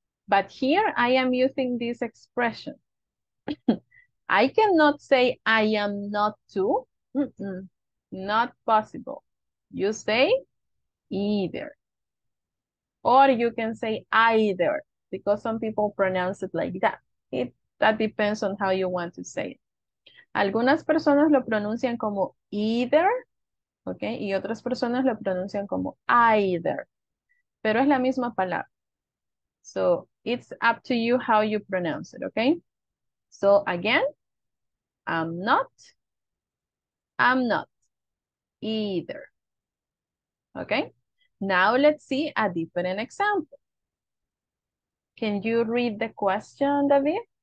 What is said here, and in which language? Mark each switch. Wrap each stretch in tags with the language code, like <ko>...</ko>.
<en>But here I am using this expression. I cannot say I am not too. Mm-mm. Not possible. You say either. Or you can say either, because some people pronounce it like that. It that depends on how you want to say it.</en> <es>Algunas personas lo pronuncian como either, okay, y otras personas lo pronuncian como either. Pero es la misma palabra.</es> <en>So it's up to you how you pronounce it, okay? So again, I'm not either. Okay? Now let's see a different example. Can you read the question, David?</en>